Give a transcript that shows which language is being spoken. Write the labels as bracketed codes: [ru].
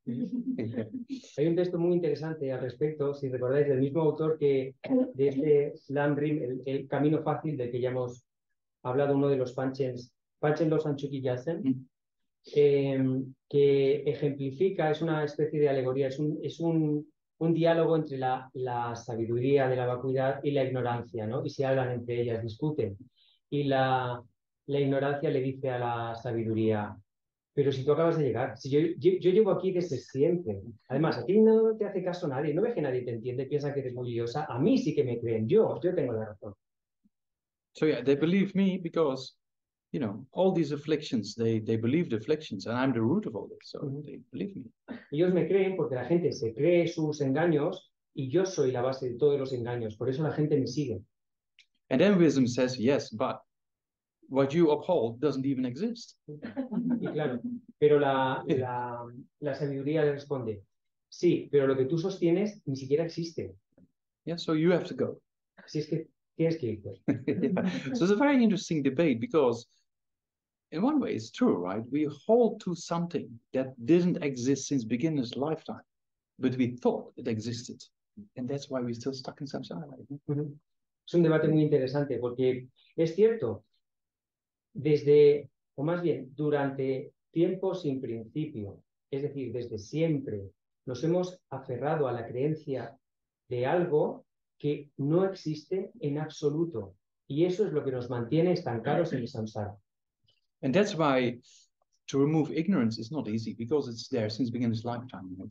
[es] Hay un texto muy interesante al respecto, si recordáis, del mismo autor que de este LAM RIM, el camino fácil del que ya hemos hablado, uno de los Panchens, Panchen Losan Chögyi Gyatson, que ejemplifica, es una especie de alegoría, es un diálogo entre la sabiduría de la vacuidad y la ignorancia, ¿no? Y se hablan entre ellas, discuten. Y la ignorancia le dice a la sabiduría, pero si tú acabas de llegar, si yo llevo aquí desde siempre, además a ti no te hace caso nadie, no ves que nadie te entiende, piensa que eres muy liosa, a mí sí que me creen, yo tengo la razón. [en] So yeah, they believe me because, you know, all these afflictions, they believe the afflictions and I'm the root of all this, so mm-hmm. they believe me. [es] Ellos me creen porque la gente se cree sus engaños y yo soy la base de todos los engaños, por eso la gente me sigue. [en] And then wisdom says, yes, but what you uphold doesn't even exist. [es] Y claro, pero la sabiduría le responde, sí, pero lo que tú sostienes ni siquiera existe. [en] Yeah, so you have to go. [es] Así es que tienes que ir. [en] Yeah. So it's a very interesting debate because in one way it's true, right? We hold to something that didn't exist since beginner's lifetime, but we thought it existed. And that's why we're still stuck in samsara. Right? Mm-hmm. [es] Es un debate muy interesante porque es cierto. Desde, o más bien, durante tiempo sin principio, es decir, desde siempre, nos hemos aferrado a la creencia de algo que no existe en absoluto. Y eso es lo que nos mantiene estancados en el samsara. [en] And that's why to remove ignorance is not easy, because it's there since the beginner's lifetime. Right?